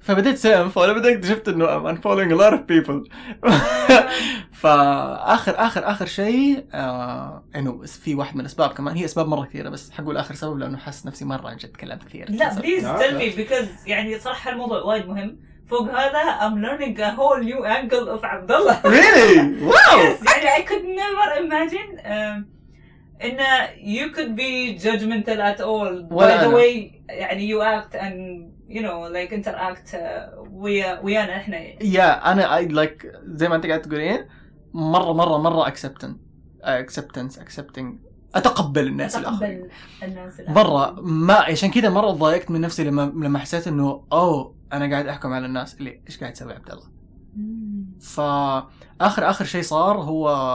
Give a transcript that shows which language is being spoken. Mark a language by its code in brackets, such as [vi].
[ar] فبدأت سوي unfollow بدأت اكتشفت إنه [en] I'm unfollowing a lot of people. [ar] فآخر آخر آخر شيء إنه في واحد من الأسباب كمان هي أسباب مرة كثيرة بس حقول آخر سبب لأنه حس نفسي مرة عن جد تكلمت كثير. لا [en] please tell me because [ar] يعني صراحة الموضوع وايد مهم. فوق هذا [en] I'm learning a whole new angle of Abdullah. Really? Wow. يعني I could never imagine إن you could be judgmental at all by the way يعني you act and you know like interact ويانا إحنا [ar] yeah أنا [en] I like [ar] زي ما أنت قاعد تقولين مرة مرة مرة accepting أتقبل الناس الآخرين مرة ما عشان كده مرة ضايقت من نفسي لما حسيت إنه أو أنا قاعد أحكم على الناس اللي إيش قاعد تسوي عبد الله فآخر آخر شيء صار هو